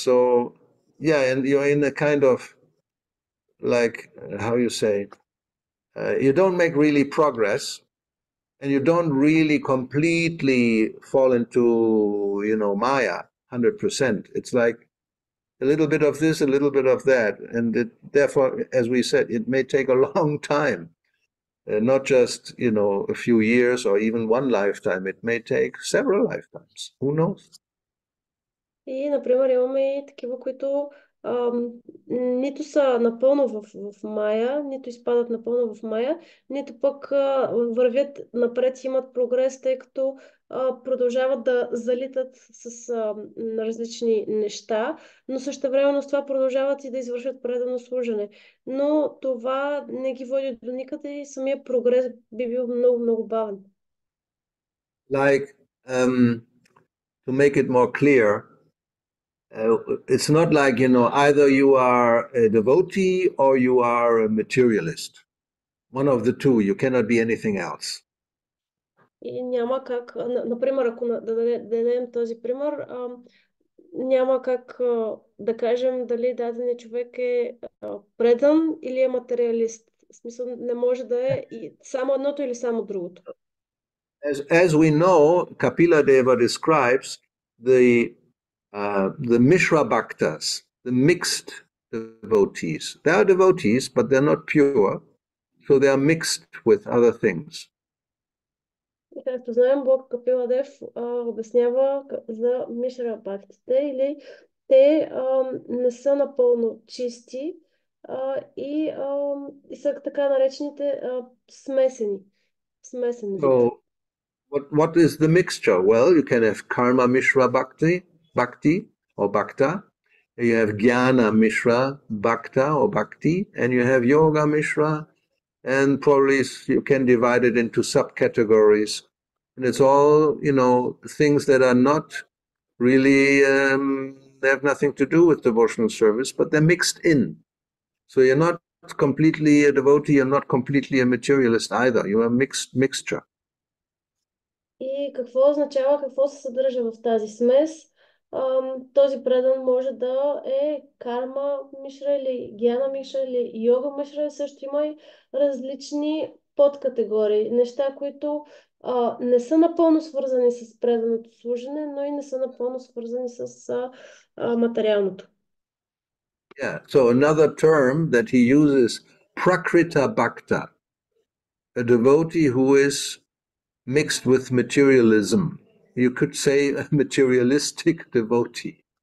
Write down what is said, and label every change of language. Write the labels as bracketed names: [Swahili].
[English] So, yeah, and you're in a kind of, like, how you say, you don't make really progress, and you don't really completely fall into, you know, Maya, 100%. It's like, a little bit of this, a little bit of that, and it, therefore, as we said, it may take a long time, not just, you know, a few years or even one lifetime, it may take several lifetimes, who knows? [Bulgarian] И, например, имаме и такива, които нито са напълно в Мая, нито изпадат напълно в Мая, нито пък вървят напред, имат прогрес, тъй като продължават да залитат с различни неща, но същевременно с това продължават и да извършват предано служене. Но това не ги води до никъде и самия прогрес би бил много, много бавен. [English] Like, to make it more clear, it's not like, you know, either you are a devotee or you are a materialist. One of the two, you cannot be anything else. [Bulgarian] И няма как, например, ако дадем този пример, няма как да кажем дали даден човек е предан или е материалист. В смисъл, не може да е и само едното или само другото. [English] As we know, Kapila Deva describes the Mishra Bhaktas, the mixed devotees. They are devotees, but they're not pure, so they are mixed with other things. [Bulgarian] Както знаем, Бог Капила Дев обяснява за Мишра Бхактите, или те не са напълно чисти и са така наречените смесени. Смесен вид. [English] So, what is the mixture? Well, you can have Karma Mishra Bhakti or Bhakta, you have Jnana Mishra Bhakta or Bhakti, and you have Yoga Mishra, and probably you can divide it into subcategories. And it's all, you know, things that are not really, they have nothing to do with devotional service, but they're mixed in. So you're not completely a devotee, you're not completely a materialist either. You are a mixture. [Bulgarian] И какво означава, какво се съдържа в тази смес? Този предан може да е карма мишра или гиана мишра или йога мишра. Също има и различни подкатегории. Неща, които не са напълно свързани с преданото служене, но и не са напълно свързани с материалното. [English] Yeah, so another term that he uses, Prakrita Bhakta, a devotee who is mixed with materialism. You could say a materialistic devotee.